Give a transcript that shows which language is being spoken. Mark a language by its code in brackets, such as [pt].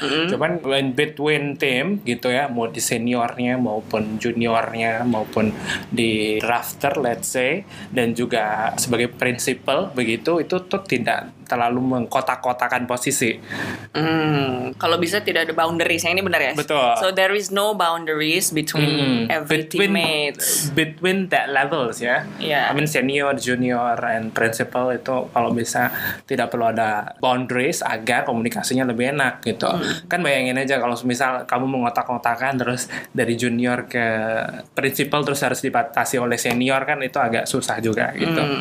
[id] Cuman [en] in between team [id] gitu ya, mau di seniornya maupun juniornya maupun di drafter [en] let's say, [id] dan juga sebagai principal begitu, itu tuh tidak terlalu mengkotak-kotakan posisi. Kalau bisa tidak ada boundaries. Yang ini benar ya? Betul. [en] So there is no boundaries between every teammates. Between that levels ya. Yeah. I mean senior, junior, and principal [id] itu kalau bisa tidak perlu ada boundaries agar komunikasinya lebih enak gitu. Kan bayangin aja kalau misal kamu mengotak-kotakan terus dari junior ke principal terus harus dibatasi oleh senior kan, itu agak susah juga gitu.